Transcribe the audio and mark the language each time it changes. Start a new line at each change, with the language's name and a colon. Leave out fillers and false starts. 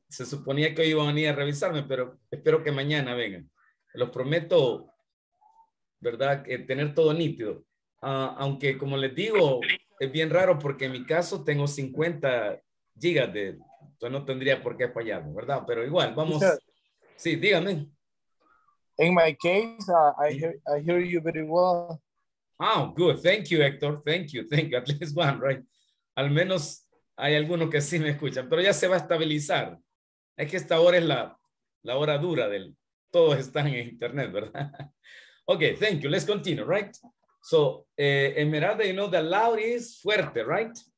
Spanish: Se suponía que hoy iban a venir a revisarme, pero espero que mañana vengan. Los prometo, ¿verdad? Tener todo nítido. Aunque, como les digo, es bien raro porque en mi caso tengo 50 gigas de... Entonces no tendría por qué fallar, ¿verdad? Pero igual, vamos... Sí, dígame.
English: In my case, I hear you very well. Oh, good. Thank you, Héctor. Thank you. Thank you. At least one, right?
Spanish: Al menos... Hay algunos que sí me escuchan, pero ya se va a estabilizar. Es que esta hora es la hora dura del... Todos están en internet, ¿verdad?
English: Okay, thank you. Let's continue, right? So, Esmeralda, you know that loud is fuerte, right?